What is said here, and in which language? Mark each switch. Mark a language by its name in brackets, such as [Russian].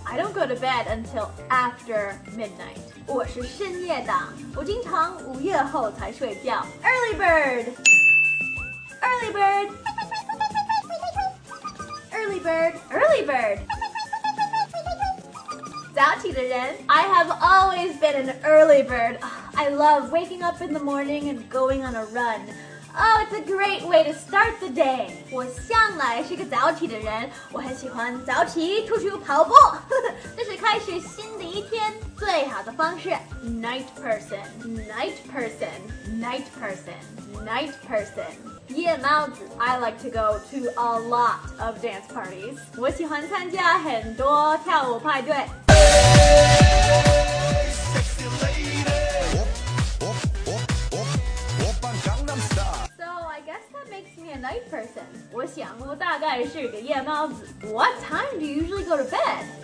[English] I don't go to bed until after midnight. [Chinese] 我是深夜党，我经常午夜后才睡觉。 [English] Early bird, early bird, early bird, early bird. [Chinese] 早起的人。 [English] I have always been an early bird. I love waking up in the morning and going on a run. Oh, it's a great way to start the day. [Chinese] 我向来是个早起的人，我很喜欢早起出去跑步，这是开始新的一天。最好的方式。 [English] Night person, night person, night person, night person. [Chinese] 夜猫子。 [English] I like to go to a lot of dance parties. [Chinese] 我喜欢参加很多跳舞派对。 [English] Hey, sexy lady. So I guess that makes me a night person. [Chinese] 我想我大概是个夜猫子。 [English] What time do you usually go to bed?